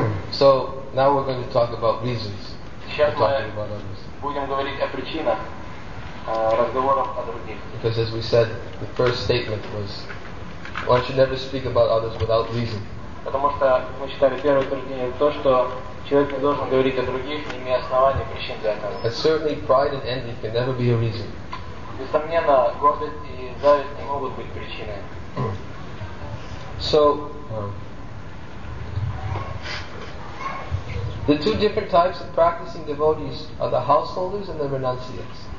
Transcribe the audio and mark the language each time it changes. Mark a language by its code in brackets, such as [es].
[en] So, now we're going to talk about reasons for talking about others. Because as we said, the first statement was, one should never speak about others without reason. [ru] Потому что мы считали первое утверждение то, что человек не должен говорить о других, не имея оснований, причин для этого. [en] And certainly pride and envy can never be a reason. [ru] Несомненно, гордость и зависть не могут быть причиной. [en] So, the two different types of practicing devotees are the householders and the renunciates.